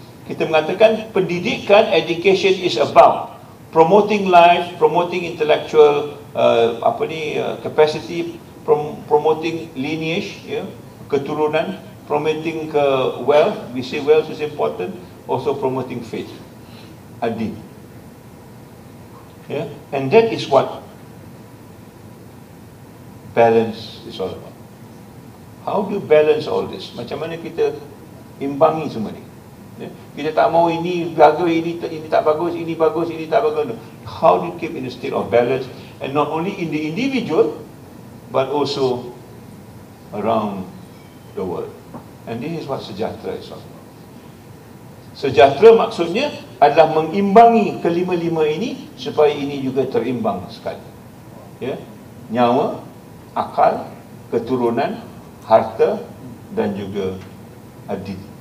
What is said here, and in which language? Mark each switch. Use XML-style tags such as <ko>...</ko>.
<ms>Kita mengatakan pendidikan,</ms> <en>education is about promoting life, promoting intellectual capacity, promoting lineage, yeah, keturunan, promoting wealth. We say wealth is important. Also promoting faith, adi. Yeah, and that is what balance is all about. How do you balance all this?</en> <ms>Macam mana kita imbangi semua ni? Kita tak mau ini bagus, ini tak bagus, ini bagus, ini tak bagus.</ms> <en>How do you keep in a state of balance, and not only in the individual, but also around the world? And this is what sejahtera is all about.</en> <ms>Sejahtera maksudnya adalah mengimbangi kelima-lima ini supaya ini juga terimbang sekali. Yeah? Nyawa, akal, keturunan, harta dan juga adil.</ms>